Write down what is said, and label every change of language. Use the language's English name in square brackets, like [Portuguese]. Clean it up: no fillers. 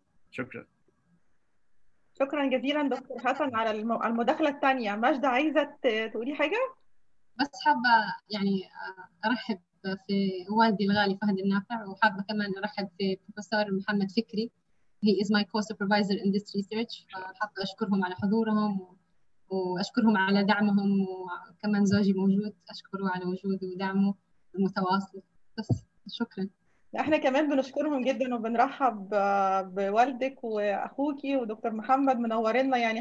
[Arabic] شكرا. شكرا جزيلا دكتور حسن على المداخله الثانيه. ماجد عايزه تقولي حاجه؟ بس حابه يعني ارحب في والدي الغالي فهد النافع، وحابه كمان ارحب في بروفيسور محمد فكري. [English] He is my co-supervisor in this research. [Arabic] حابه اشكرهم على حضورهم واشكرهم على دعمهم، وكمان زوجي موجود اشكره على وجوده ودعمه المتواصل. بس شكرا. احنا كمان بنشكرهم جدا وبنرحب بوالدك واخوكي ودكتور محمد، منورينا يعني.